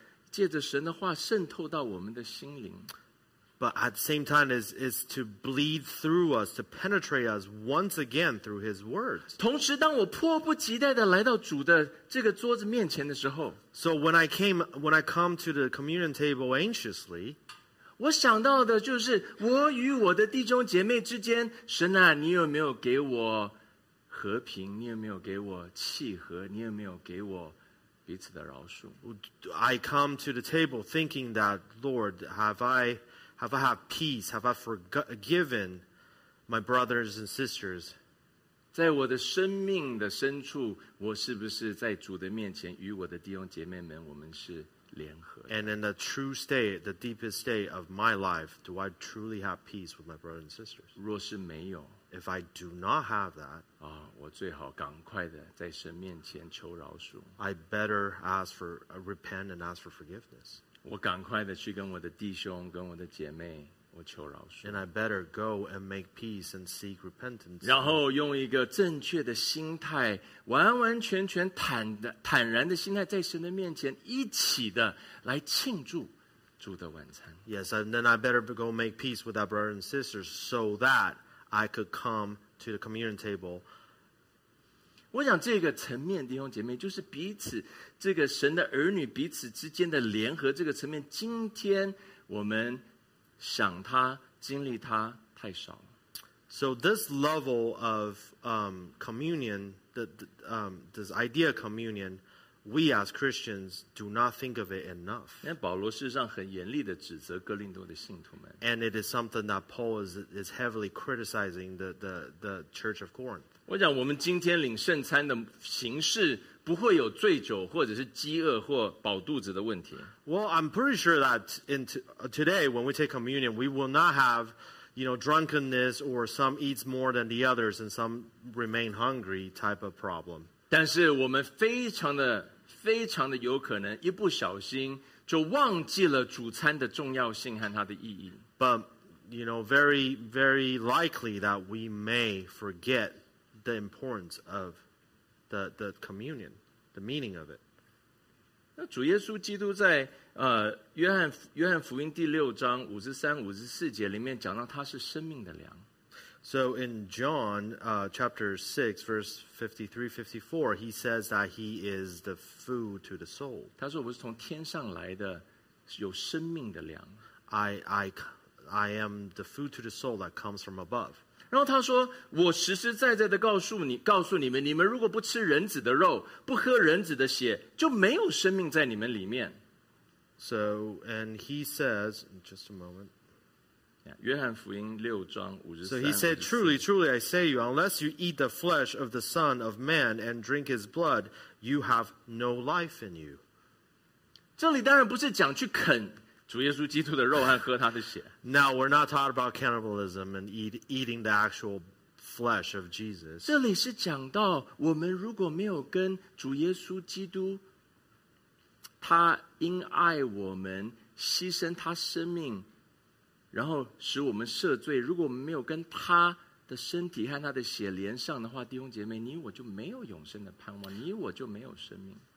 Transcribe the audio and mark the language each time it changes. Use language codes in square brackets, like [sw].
[zh] 更是让他渗再次的借着神的话渗透到我们的心灵, [en] but at the same time is to bleed through us, to penetrate us once again through his words. [zh] 同时当我迫不及待地来到主的这个桌子面前的时候, [en] so when I come to the communion table anxiously, [zh] 我想到的就是我与我的弟兄姐妹之间, 神啊, 你有没有给我和平, 你有没有给我契合, 你有没有给我彼此的饶恕? [en] I come to the table thinking that, Lord, have I had peace? Have I forgiven my brothers and sisters? [zh] 在我的生命的深处, 我是不是在主的面前与我的弟兄姐妹们, 我们是, [en] and in the true state, the deepest state of my life, do I truly have peace with my brothers and sisters? [zh] 若是没有, [en] if I do not have that, [zh] 哦, 我最好赶快的在神面前求饶恕, [en] I better ask for repent and ask for forgiveness. [zh] 我赶快的去跟我的弟兄跟我的姐妹我求饶恕, [en] and I better go and make peace and seek repentance. [zh] 然后用一个正确的心态, 完完全全坦然的心态在神的面前一起的来庆祝主的晚餐。 [en] Yes, and then I better go make peace with our brothers and sisters so that I could come to the communion table. [zh] 我想这个层面, 弟兄姐妹, 就是彼此, 这个神的儿女, 彼此之间的联合, 这个层面, 今天我们, 想他, 经历他, [en] so this level of communion, this idea of communion, we as Christians do not think of it enough. 保罗事实上很严厉地指责哥林多的信徒们, and it is something that Paul is heavily criticizing the Church of Corinth. [zh] 我讲我们今天领圣餐的形式, 不会有醉酒或者是饥饿或饱肚子的问题。 [en] Well, I'm pretty sure that today, when we take communion, we will not have, you know, drunkenness or some eats more than the others and some remain hungry type of problem. [zh] 但是我们非常的非常的有可能一不小心就忘记了主餐的重要性和它的意义。 [en] But, you know, very, very likely that we may forget the importance of the communion, the meaning of it. [zh] 那主耶稣基督在约翰福音第六章五十三、五十四节里面讲到他是生命的粮。 [en] So in John chapter 6, verse 53, 54, he says that he is the food to the soul. [zh] 他说我是从天上来的，有生命的粮。 [en] I am the food to the soul that comes from above. [zh] 然后他说我实实在在的告诉你们，你们如果不吃人子的肉，不喝人子的血，就没有生命在你们里面。 [en] So, and he says, just a moment. So he said, truly, truly, I say you, unless you eat the flesh of the Son of Man and drink his blood, you have no life in you. [zh] 这里当然不是讲去啃主耶稣基督的肉和喝他的血。 [en] Now, we're not talking about cannibalism and eating the actual flesh of Jesus. [zh] 这里是讲到我们如果没有跟主耶稣基督他因爱我们牺牲他生命然后使我们赦罪如果我们没有跟他的身体和他的血连上的话弟兄姐妹你我就没有永生的盼望你我就没有生命